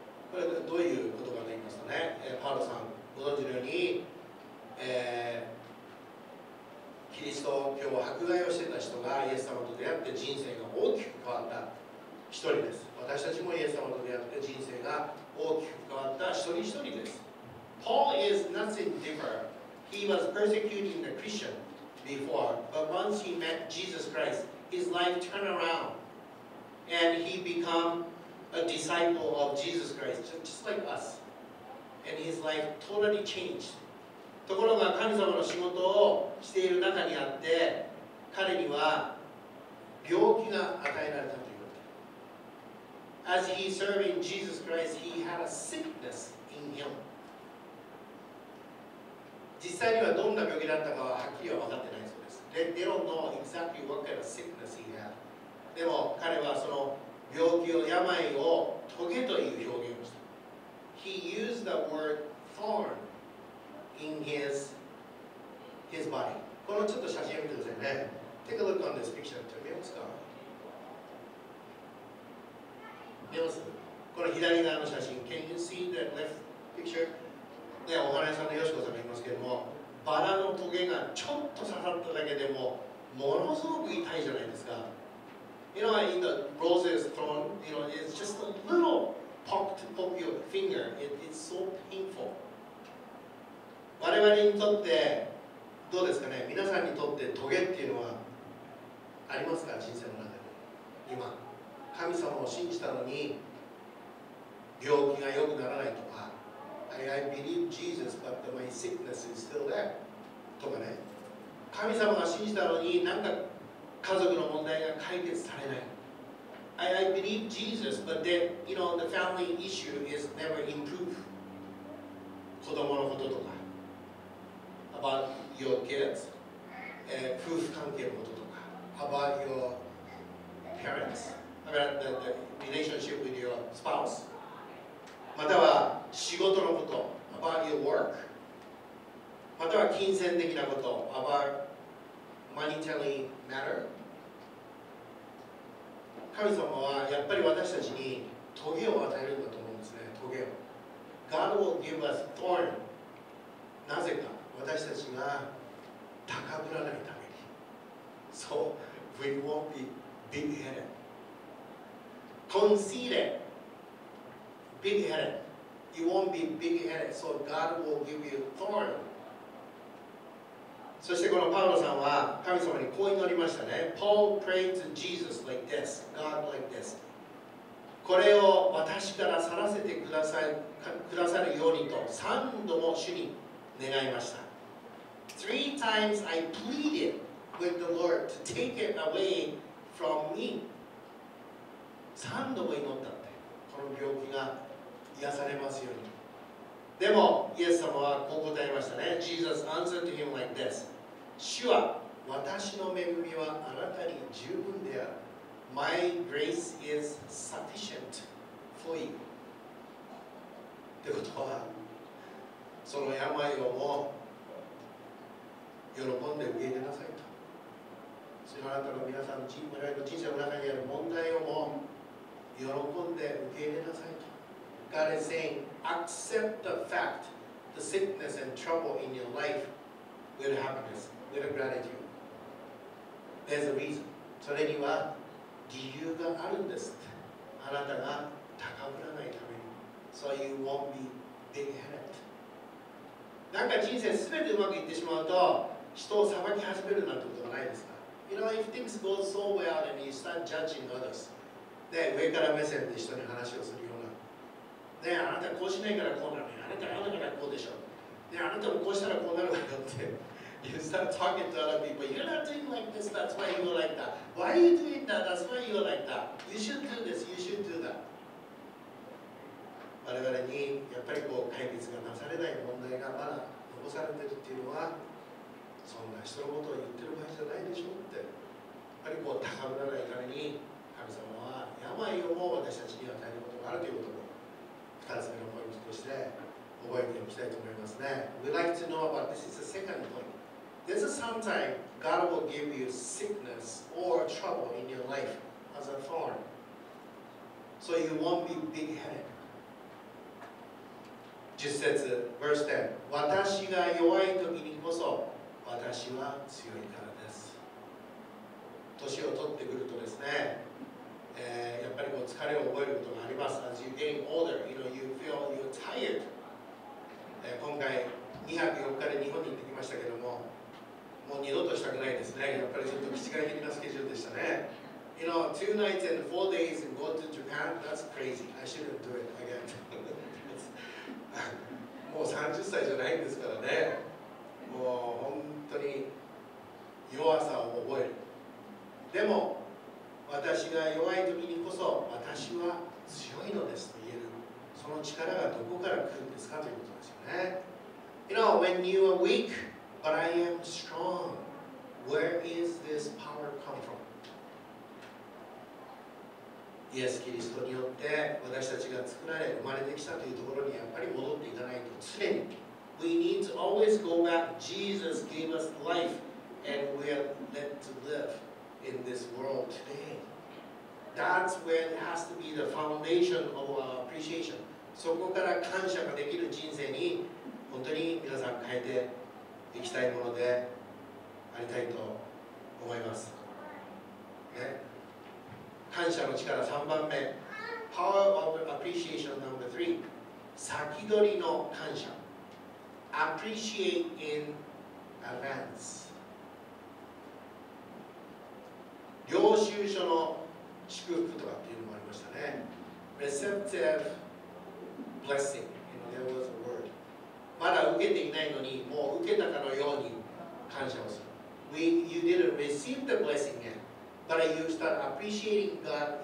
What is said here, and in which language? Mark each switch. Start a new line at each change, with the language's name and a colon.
Japanese: これはどういうことかと言いますとね、パウロさん、ご存知のように、キリスト教を迫害をしていた人がイエス様と出会って人生が大きく変わった一人です。私たちもイエス様と出会って人生が大きく変わった一人一人です。
English: Paul is nothing different. He was persecuting the Christian before, but once he met Jesus Christ,His life turned around and he became a disciple of Jesus Christ, just like us. And his life totally changed.
Japanese: ところが神様の仕事をしている中にあって、彼には病気が与えられたということ。
English: As he served in Jesus Christ, he had a sickness in him.
Japanese: 実際にはどんな病気だったかははっきりは分かってないそうです。
English: They don't know exactly what kind of sickness he had.
Japanese: でも彼はその病気を、病をトゲという表現をした。
English: He used the word thorn in his body.
Japanese: このちょっと写真見てくださいね。
English: Take a look on this picture.
Japanese: 見ますか？見ます？この左側の写真。
English: Can you see that left picture?
Japanese: ね、お花屋さんのよしこさんが言いますけども、バラのトゲがちょっと刺さっただけでも、ものすごく痛いじゃないですか。
English: You know, in the roses thorn, you know, it's just a little poke to poke your finger. It's so painful.
Japanese: 我々にとって、どうですかね、皆さんにとってトゲっていうのはありますか、人生の中で。今、神様を信じたのに、病気が良くならないとか、
English: I believe Jesus, but my sickness is still there.
Japanese: とかね、神様が信じたのになんか家族の問題が解決されない。
English: I believe Jesus, but then, you know, the family issue is never improved.
Japanese: 子供のこととか、
English: about your kids,
Japanese: 夫婦関係のこととか、
English: about your parents, about the relationship with your spouse.
Japanese: または仕事のこと、
English: about your work。
Japanese: または金銭的なこと、
English: about monetary matter。
Japanese: 神様はやっぱり私たちにトゲを与えるんだと思うんですね、トゲを。
English: God will give us thorn。
Japanese: なぜか、私たちが高ぶらないために。
English: So we won't be big-headed。 Conceited。 Big headed. You won't be big headed, so God will give you thorn.
Japanese: そしてこのパウロさんは神様にこう祈りましたね。
English: Paul prayed to Jesus like this, God like this.
Japanese: これを私から去らせてくださるようにと三度も主に願いました。
English: Three times I pleaded with the Lord to take it away from me.
Japanese: 三度も祈ったって、この病気が癒されますように。でもイエス様はこう答えましたね。
English: Jesus answered to him like this.
Japanese: 主は、私の恵みはあなたに十分である。
English: My grace is sufficient for you.
Japanese: ってことは、その病をも喜んで受け入れなさいと。そのあなたの皆さんの人生の中にある問題をも喜んで受け入れなさいと。
English: God is saying, accept the fact, the sickness and trouble in your life with happiness, with gratitude. There's a reason.
Japanese: それには理由があるんです。あなたが高ぶらないために。
English: So you won't be big-headed.
Japanese: なんか人生すべてうまくいってしまうと、人を裁き始めるなんてことはないですか？
English: You know, if things go so well and you start judging others,
Japanese: で、上から目線で人に話をするような。ね、あなたこうしないからこうなるね。あなたあなたからこうでしょ。ね、あなたもこうしたらこうなるだろうって。
English: You start talking to other people. You're not doing like this. That's why you're like that. Why are you doing that? That's why you're like that. You should do this. You should do that.
Japanese: 我々にやっぱりこう解決がなされない問題がまだ残されてるっていうのは、そんな人のことを言ってる場合じゃないでしょうって。やっぱりこう高ぶらないために、神様は病をも私たちに与えることがあるということも。 2つ目のポイントとして覚えておきたいと思いますね。
English: We like to know about this. It's a second point. This is sometime God will give you sickness or trouble in your life as a thorn. So you won't be big-headed.
Japanese: 10節、
English: verse 10。
Japanese: 私が弱い時にこそ私は強いからです。年を取ってくるとですね、やっぱりこう疲れを覚えることがあります。
English: As you're getting older, you know, you feel you're tired.
Japanese: 今回2泊4日で日本に行ってきましたけども、もう二度としたくないですね。やっぱりちょっと気遣い的なスケジュールでしたね。
English: You know, two nights and four days and go to Japan, that's crazy. I shouldn't do it again.
Japanese: もう30歳じゃないんですからね。もう本当に弱さを覚える。でも、私が弱い時にこそ私は強いのですと言えるその力がどこから来るんですかということですよね。
English: You know, when you are weak, but I am strong, where is this power come from?
Japanese: イエス・キリストによって私たちが作られ生まれてきたというところにやっぱり戻っていかないと常に。
English: We need to always go back. Jesus gave us life, and we are meant to live in this world today. That's where it has to be the foundation of our appreciation.
Japanese: そこから感謝ができる人生に本当に皆さん変えていきたいものでありたいと思います。ね、感謝の力3番目。
English: Power of appreciation number three.
Japanese: 先取りの感謝。
English: Appreciate in advance.
Japanese: 領収書の祝福とかっていうのもありましたね。
English: Receptive blessing. You know, there was a word.
Japanese: まだ受けていないのに、もう受けたかのように感謝をする。
English: You didn't receive the blessing yet, but you start appreciating God.